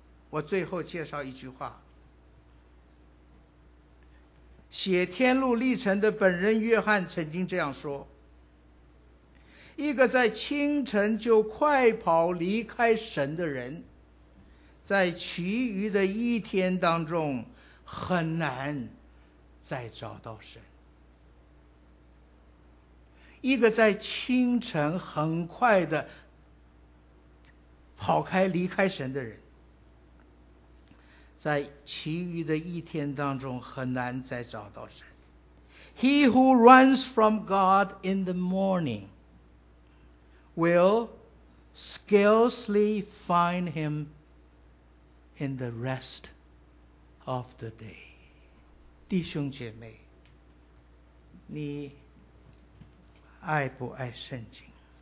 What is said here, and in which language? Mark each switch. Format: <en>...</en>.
<zh>我最后介绍一句话，写天路历程的本人约翰曾经这样说，一个在清晨就快跑离开神的人，在其余的一天当中很难再找到神。一个在清晨很快的跑开离开神的人，在其余的一天当中很难再找到神。</zh> <en>He who runs from God in the morning will scarcely find him in the rest of the day。</en> <zh>弟兄姐妹，你爱不爱圣经？</zh>